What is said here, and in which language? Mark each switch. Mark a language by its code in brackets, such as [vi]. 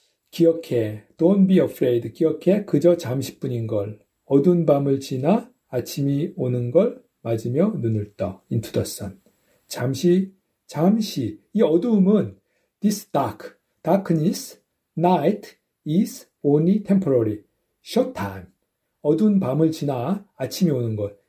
[ko] 기억해, [en] don't be afraid. [ko] 기억해, 그저 잠시뿐인 걸. 어두운 밤을 지나 아침이 오는 걸 맞으며 눈을 떠. [en] Into the sun. [ko] 잠시. 이 어두움은 [en] this dark. Darkness. Night is only temporary. Short time. [ko] 어두운 밤을 지나 아침이 오는 걸.